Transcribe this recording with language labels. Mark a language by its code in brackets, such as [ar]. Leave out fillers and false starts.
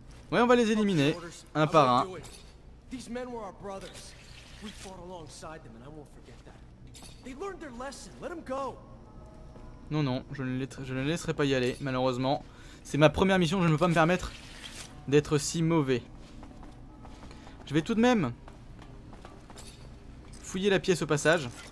[fr] Ouais, on va les éliminer, un par un. [en] These men were our brothers. We fought alongside them and I won't forget that. They learned their lesson. Let them go. [fr] Non, non, je ne laisserai pas y aller, malheureusement. C'est ma première mission, je ne peux pas me permettre d'être si mauvais. Je vais tout de même fouiller la pièce au passage.